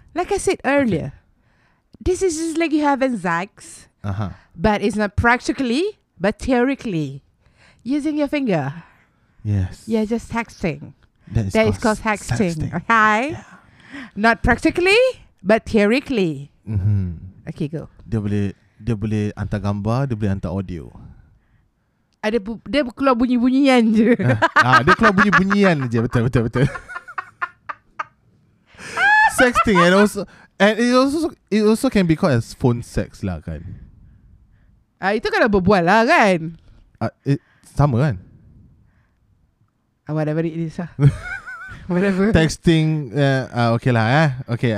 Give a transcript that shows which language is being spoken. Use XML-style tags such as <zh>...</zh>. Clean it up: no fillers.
<en>Like I said earlier, this is just like you having sex, but it's not practically, but theoretically, using your finger. Yes. Yeah, just texting. That is called texting. Okay. Yeah. Not practically, but theoretically. Mm-hmm. Okay, go.</en> <ms>Dia boleh hantar gambar, dia boleh hantar audio. Dia keluar bunyi-bunyian je. Dia keluar bunyi-bunyian je. Betul.</ms> <en>Sexting and also. And it also can be called as phone sex lah kan.</en> <ms>Itu kan berbual lah kan. Sama kan.</ms> <en>Whatever it is lah. Whatever. Texting. Okay lah eh. Okay.</en>